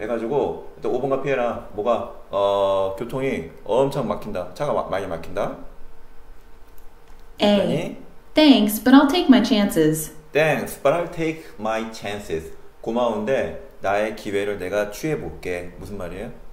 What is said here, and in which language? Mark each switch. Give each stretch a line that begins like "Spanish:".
Korean: 해가지고 또 5번가 피해라. 뭐가 교통이 엄청 막힌다. 차가 많이 막힌다.
English: A. Thanks, but I'll take my chances. Thanks, but I'll take my chances.
Korean: 고마운데 나의 기회를 내가 취해볼게. 무슨 말이에요?